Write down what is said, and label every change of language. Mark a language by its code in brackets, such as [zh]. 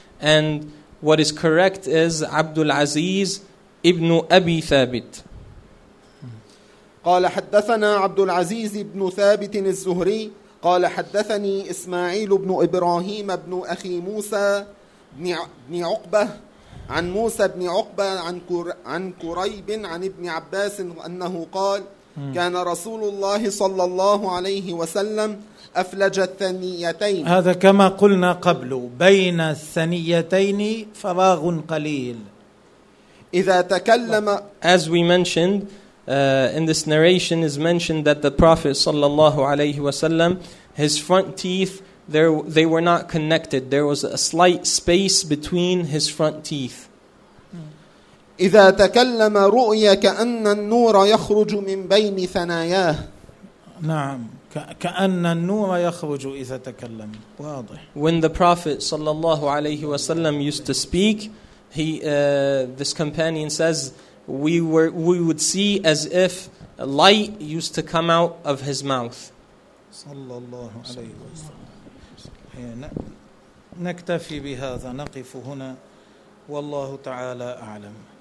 [en] And what is correct is Abdul Aziz ibn Abi Thabit. [ar] قال حدثنا عبد العزيز بن ثابت الزهري قال حدثني إسماعيل بن إبراهيم بن أخي موسى بن عقبة عن موسى بن عقبة عن كريب عن ابن عباس أنه قال كان رسول الله صلى الله عليه وسلم أفلج الثنيتين. هذا كما قلنا قبل بين الثنيتين فراغ قليل. إذا تكلم [en] As we mentioned in this narration is mentioned that the Prophet صلى الله عليه وسلم his front teeth they were not connected. There was a slight space between his front teeth. [ar] إذا تكلم رؤيا كأن النور يخرج من بين ثناياه. نعم كأن النور يخرج إذا تكلم. واضح. [en] When the Prophet صلى الله عليه وسلم used to speak, this companion says, we would see as if light used to come out of his mouth. [ar] صلى الله عليه وسلم. نكتفي بهذا نقف هنا والله تعالى أعلم.